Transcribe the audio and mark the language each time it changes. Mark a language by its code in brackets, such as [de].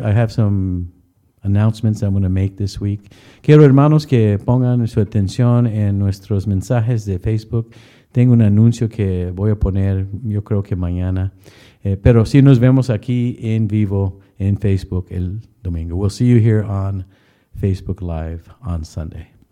[en] I have some announcements I'm going to make this week. [es] Quiero, hermanos, que pongan su atención en nuestros mensajes de Facebook. Tengo un anuncio que voy a poner, yo creo que mañana. Pero sí nos vemos aquí en vivo en Facebook el domingo. [en] We'll see you here on Facebook Live on Sunday.